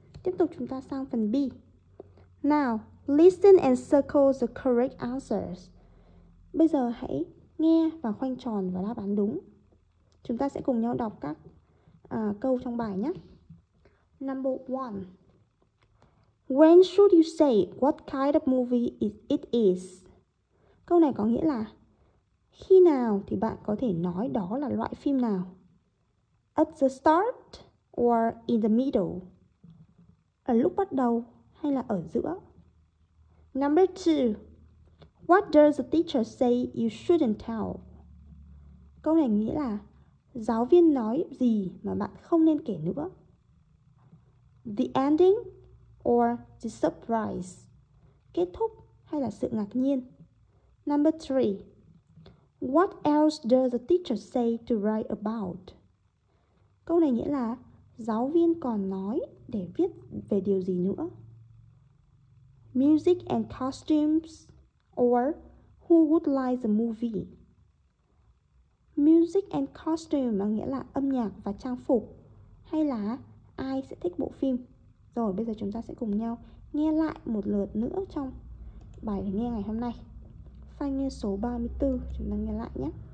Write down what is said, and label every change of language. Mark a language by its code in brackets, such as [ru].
[vi] Tiếp tục chúng ta sang phần B. [en] Now, listen and circle the correct answers. [vi] Bây giờ hãy nghe và khoanh tròn vào đáp án đúng. Chúng ta sẽ cùng nhau đọc các câu trong bài nhé. [en] Number 1. When should you say what kind of movie it is? [vi] Câu này có nghĩa là khi nào thì bạn có thể nói đó là loại phim nào? [en] At the start or in the middle? [vi] Ở lúc bắt đầu hay là ở giữa? [en] Number two. What does the teacher say you shouldn't tell? [vi] Câu này nghĩa là giáo viên nói gì mà bạn không nên kể nữa? [en] The ending or the surprise? [vi] Kết thúc hay là sự ngạc nhiên? [en] Number three. What else does the teacher say to write about? [vi] Câu này nghĩa là giáo viên còn nói để viết về điều gì nữa? [en] Music and costumes or who would like the movie? Music and costume [vi] mà nghĩa là âm nhạc và trang phục hay là ai sẽ thích bộ phim? Rồi bây giờ chúng ta sẽ cùng nhau nghe lại một lượt nữa trong bài để nghe ngày hôm nay. Phải nghe số 34, chúng ta nghe lại nhé.